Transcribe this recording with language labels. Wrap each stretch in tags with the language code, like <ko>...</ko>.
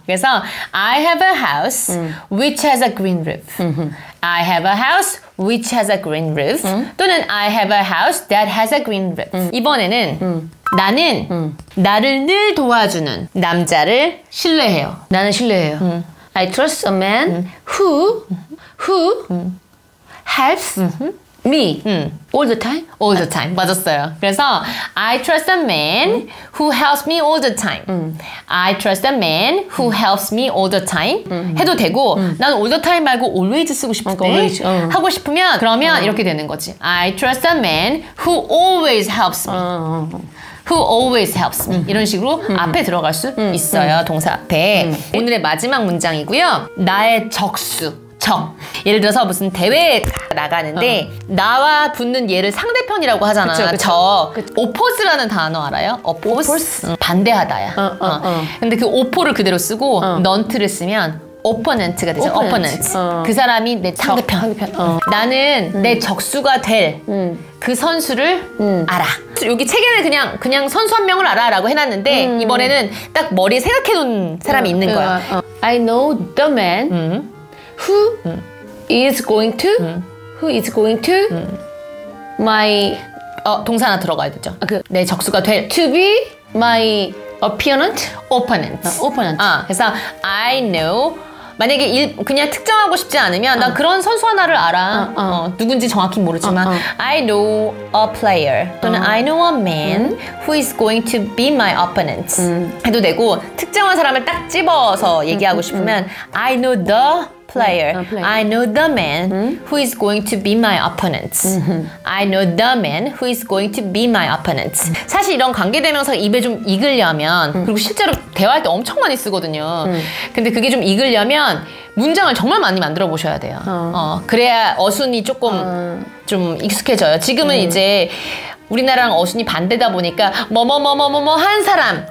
<ko>그래서</ko> <en>I have a house which has a green roof. I have a house which has a green roof.</en> <ko>또는</ko> <en>I have a house that has a green roof.</en> <ko>이번에는 나는 나를 늘 도와주는 남자를 신뢰해요. 나는 신뢰해요.</ko> <en>I trust a man who helps me all the time. All the time.</en> <ko>맞았어요. 그래서</ko> <en>I trust a man who helps me all the time. I trust a man who helps me all the time.</en> <ko>해도 되고 난</ko> <en>all the time</en> <ko>말고 always 쓰고 싶을 거</ko> <en>always.</en> <ko>하고 싶으면 그러면 이렇게 되는 거지.</ko> <en>I trust a man who always helps me. Who always helps me.</en> <ko>이런 식으로 앞에 들어갈 수 있어요. 동사 앞에. 오늘의 마지막 문장이고요. 나의 적수. 적. 예를 들어서 무슨 대회에 나가는데 나와 붙는 얘를 상대편이라고 하잖아요. 적. Oppose라는 단어 알아요? Oppose?</ko> <en>Oppose?</en> <ko>반대하다야. 근데 그 oppo를 그대로 쓰고 nont를 쓰면 opponent가 되죠. Opponent. Opponent. 그 사람이 내 상대편. 상대편. 나는 내 적수가 될 그 선수를 알아. 여기 책에는 그냥 선수 한 명을 알아 라고 해놨는데 이번에는 딱 머리에 생각해 놓은 사람이 있는 거야.</ko> <en>I know the man who is going to my</en> <ko>동사 하나 들어가야 되죠. 아, 그, 내 적수가 될</ko> <en>to be my opponent. Opponent. Opponent.</en> <ko>그래서</ko> <en>I know</en> <ko>만약에 그냥 특정하고 싶지 않으면 난 그런 선수 하나를 알아. 누군지 정확히 모르지만</ko> <en>I know a player</en> <ko>또는</ko> <en>I know a man who is going to be my opponent</en> <ko>해도 되고 특정한 사람을 딱 집어서 얘기하고 싶으면</ko> <en>I know the player. I know the man who is going to be my opponent. I know the man who is going to be my opponent.</en> <ko>사실 이런 관계대명사 입에 좀 익으려면 그리고 실제로 대화할 때 엄청 많이 쓰거든요. 근데 그게 좀 익으려면 문장을 정말 많이 만들어 보셔야 돼요. 그래야 어순이 조금 좀 익숙해져요. 지금은 이제 우리나라랑 어순이 반대다 보니까 뭐뭐뭐뭐뭐뭐 한 사람</ko>